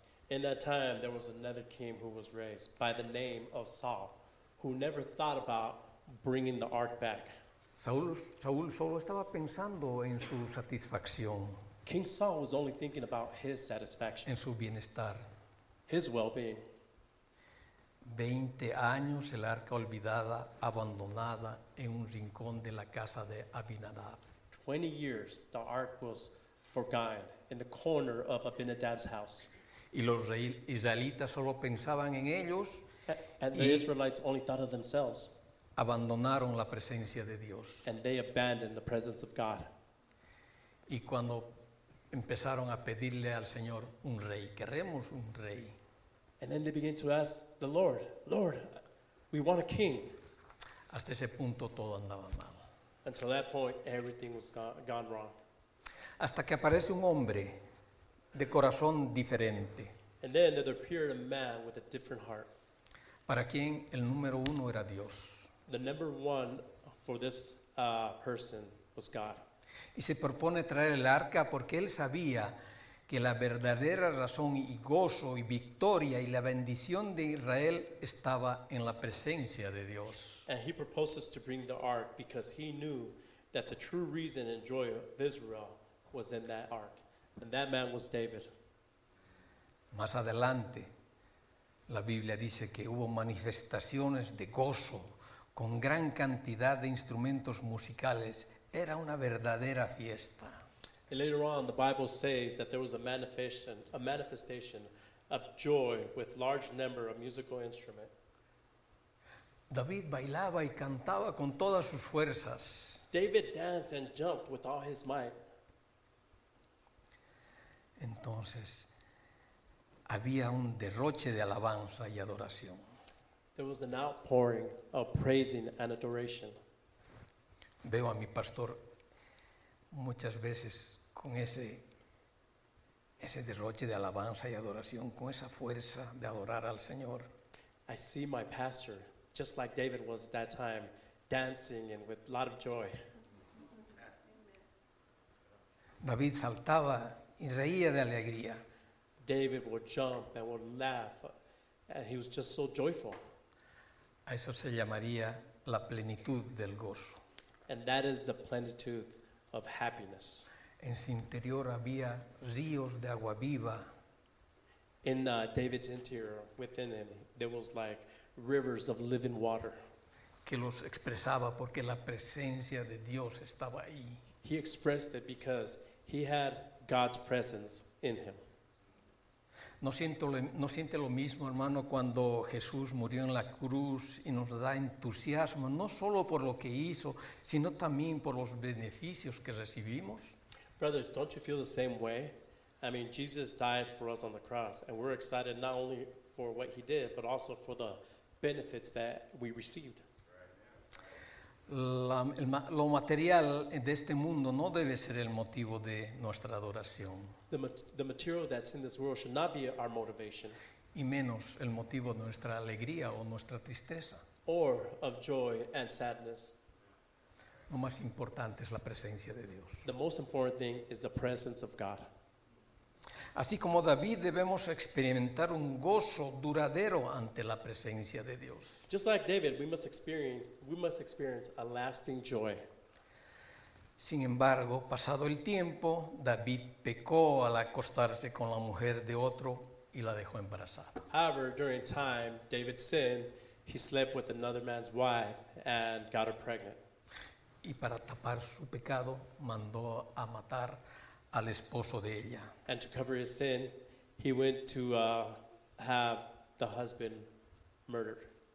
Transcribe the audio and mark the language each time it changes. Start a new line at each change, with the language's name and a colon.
English: In that time, there was another king who was raised by the name of Saul, who never thought about bringing the ark back.
Spanish: Saúl solo estaba pensando en su satisfacción.
English: King Saul was only thinking about his satisfaction.
Spanish: En su bienestar.
English: His well-being.
Spanish: 20 años, el arca olvidada, abandonada en un rincón de la casa de Abinadab.
English: 20 years, the ark was forgotten in the corner of Abinadab's house.
Spanish: Y los israelitas solo pensaban en ellos.
English: And the Israelites only thought of themselves.
Spanish: Abandonaron la presencia de Dios.
English: And they abandoned the presence of God.
Spanish: Y cuando empezaron a pedirle al Señor un rey, queremos un rey.
English: And then they began to ask the Lord, Lord, we want a king.
Spanish: Hasta ese punto todo andaba mal.
English: Until that point, everything was gone wrong.
Spanish: Hasta que aparece un hombre de corazón diferente.
English: And then there appeared a man with a different heart.
Spanish: Para quien el número uno era Dios.
English: The number one for this person was God.
Spanish: Y se propone traer el arca porque él sabía que la verdadera razón y gozo y victoria y la bendición de Israel estaba en la presencia de Dios.
English: And he proposes to bring the ark because he knew that the true reason and joy of Israel was in that ark. And that man was David.
Spanish: Más adelante, la Biblia dice que hubo manifestaciones de gozo con gran cantidad de instrumentos musicales. Era una verdadera fiesta.
English: And later on, the Bible says that there was a manifestation of joy with large number of musical instruments.
Spanish: David bailaba y cantaba con todas sus fuerzas.
English: David danced and jumped with all his might.
Spanish: Entonces, había un derroche de alabanza y adoración.
English: There was an outpouring of praising and adoration.
Spanish: Veo a mi pastor muchas veces con ese derroche de alabanza y adoración, con esa fuerza de adorar al Señor.
English: I see my pastor, just like David was at that time, dancing and with a lot of joy.
Spanish: David saltaba y reía de alegría.
English: David would jump and would laugh, and he was just so joyful.
Spanish: A eso se llamaría la plenitud del gozo.
English: And that is the plenitude of happiness.
Spanish: En su interior había ríos de agua viva.
English: In David's interior, within him, there was like rivers of living water.
Spanish: Que los expresaba porque la presencia de Dios estaba ahí.
English: He expressed it because he had God's presence in him.
Spanish: No siente lo mismo, hermano, cuando Jesús murió en la cruz y nos da entusiasmo, no solo por lo que hizo, sino también por los beneficios que recibimos.
English: Brother, don't you feel the same way? I mean, Jesus died for us on the cross, and we're excited not only for what he did, but also for the benefits that we received.
Spanish: Lo material de este mundo no debe ser el motivo de nuestra adoración.
English: The material that's in this world should not be our motivation.
Spanish: Y menos el motivo de nuestra alegría o nuestra tristeza.
English: Or of joy and sadness.
Spanish: Lo más importante es la presencia de Dios.
English: The most important thing is the presence of God.
Spanish: Así como David, debemos experimentar un gozo duradero ante la presencia de Dios.
English: Just like David, we must experience a lasting joy.
Spanish: Sin embargo, pasado el tiempo, David pecó al acostarse con la mujer de otro y la dejó embarazada.
English: However, during time, David sinned, he slept with another man's wife and got her pregnant.
Spanish: Y para tapar su pecado, mandó a matar al esposo de ella.
English: And to cover his sin, he went to have the husband murdered.